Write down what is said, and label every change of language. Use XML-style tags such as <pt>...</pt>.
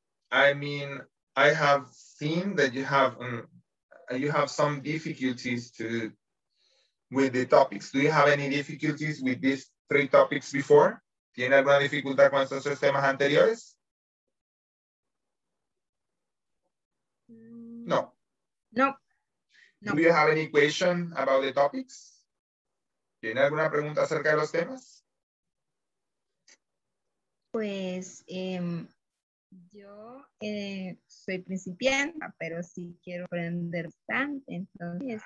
<en>I mean, I have seen that you have some difficulties with the topics. Do you have any difficulties with this? Three topics before.</en> <es>¿Tiene alguna dificultad con esos tres temas anteriores? No. No. No.</es> <en>Do you have any question about the topics?</en> <es>¿Tiene alguna pregunta acerca de los temas? Pues yo soy principiante, pero sí quiero aprender bastante. Entonces,</es>